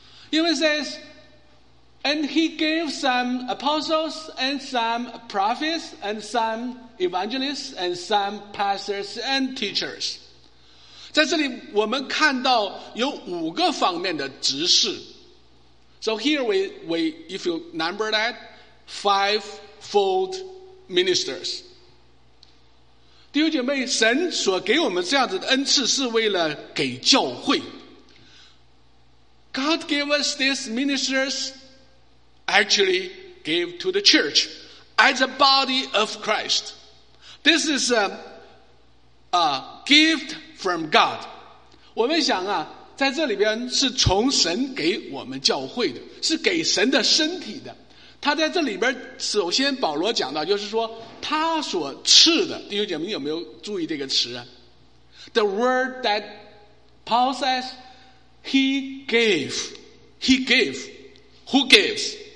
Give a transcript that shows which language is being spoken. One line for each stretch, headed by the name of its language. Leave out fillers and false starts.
Chinese: 因为
English: saysAnd he gave some apostles and some prophets and some evangelists and some pastors and teachers.
Chinese: 在这里我们看到有五个方面的执事。
English: So here we if you number that, five-fold ministers.
Chinese: 弟兄姐妹，神所给我们这样子的恩赐是为了给教会。
English: God gave us these ministersactually gave to the church as a body of Christ. This is a gift from God.
Chinese: 我们想啊，在这里边是从神给我们教会的，是给神的身体的。他在这里边首先保罗讲到，就是说他所赐的，弟兄姐妹有没有注意这个词啊？
English: The word that Paul says, he gave, who gives?